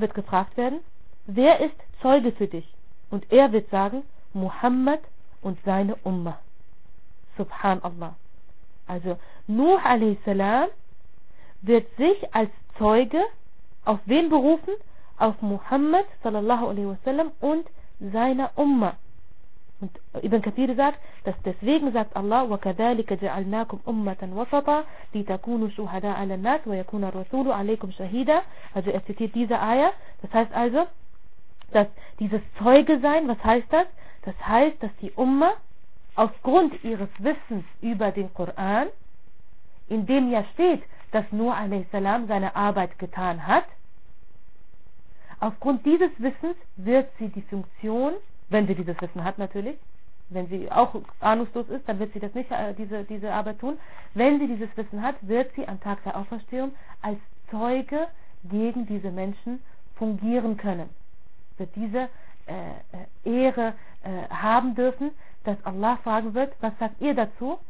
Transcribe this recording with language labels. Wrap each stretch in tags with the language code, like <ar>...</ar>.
<de>wird gefragt werden, wer ist Zeuge für dich? Und er wird sagen, Muhammad und seine Umma. Subhanallah. Also Nuh a.s. wird sich als Zeuge auf wen berufen? Auf Muhammad sallallahu alaihi wasallam und seiner Umma. Und Ibn Kathir sagt, dass deswegen sagt Allah,</de> <ar>وَكَذَلِكَ جَعَلْنَاكُمْ أُمَّةً وَسَطًا لِتَكُونُوا شُهَدَاءَ عَلَى النَّاسِ وَيَكُونَ الرَّسُولُ عَلَيْكُمْ شَهِيدًا.</ar> <de>Also er zitiert diese Aya. Das heißt also, dass dieses Zeuge sein, was heißt das? Das heißt, dass die Umma aufgrund ihres Wissens über den Koran, in dem ja steht, dass Nuh a.s. seine Arbeit getan hat, aufgrund dieses Wissens wird sie die Funktion, wenn sie dieses Wissen hat natürlich, wenn sie auch ahnungslos ist, dann wird sie das nicht diese Arbeit tun, wenn sie dieses Wissen hat, wird sie am Tag der Auferstehung als Zeuge gegen diese Menschen fungieren können, wird diese Ehre haben dürfen, dass Allah fragen wird, was sagt ihr dazu?</de>